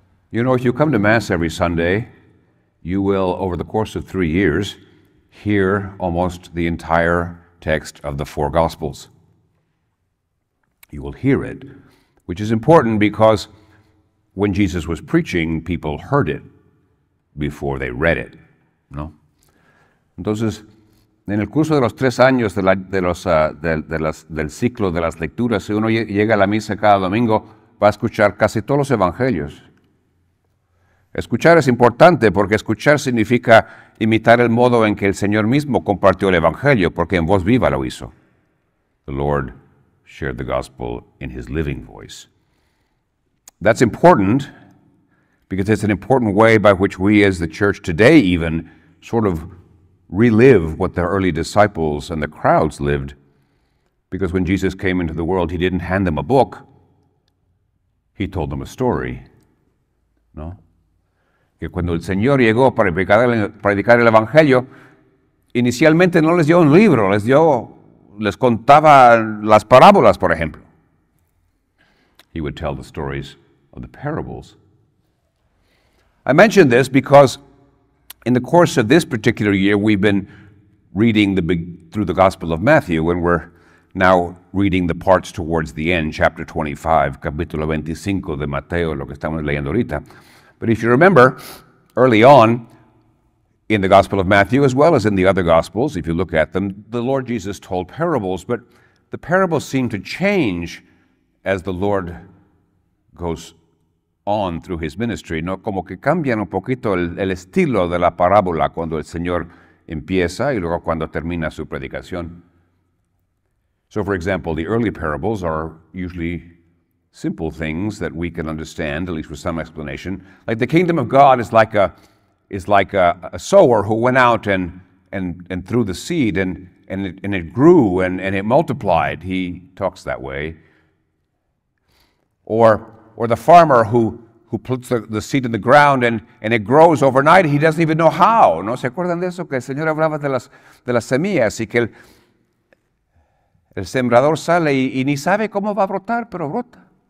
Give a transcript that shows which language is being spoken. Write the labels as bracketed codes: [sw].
[en] You know, if you come to Mass every Sunday, you will, over the course of 3 years, hear almost the entire text of the four Gospels. You will hear it, which is important because when Jesus was preaching, people heard it before they read it, ¿no? [es] Entonces, en el curso de los tres años del ciclo de las lecturas, si uno llega a la misa cada domingo, va a escuchar casi todos los evangelios. Escuchar es importante porque escuchar significa imitar el modo en que el Señor mismo compartió el evangelio, porque en voz viva lo hizo. [en] The Lord shared the gospel in his living voice. That's important because it's an important way by which we as the church today even sort of relive what the early disciples and the crowds lived, because when Jesus came into the world, he didn't hand them a book, he told them a story, ¿no? [es] Que cuando el Señor llegó para predicar el Evangelio, inicialmente no les dio un libro, les contaba las parábolas, por ejemplo. [en] He would tell the stories of the parables. I mention this because in the course of this particular year, we've been reading through the Gospel of Matthew, and we're now reading the parts towards the end, chapter 25, [es] capítulo 25 de Mateo, lo que estamos leyendo ahorita. [en] But if you remember, early on in the Gospel of Matthew, as well as in the other Gospels, if you look at them, the Lord Jesus told parables, but the parables seem to change as the Lord goes on through his ministry, ¿no? [es] Como que cambian un poquito el estilo de la parábola cuando el Señor empieza y luego cuando termina su predicación. [en] So, for example, the early parables are usually simple things that we can understand, at least with some explanation. Like the kingdom of God is like a sower who went out and threw the seed and it grew and it multiplied. He talks that way. Or the farmer who puts the seed in the ground and it grows overnight, he doesn't even know how. [es] ¿No se acuerdan de eso? Que el Señor hablaba de las semillas y que el sembrador sale y ni sabe cómo va a brotar, pero brota.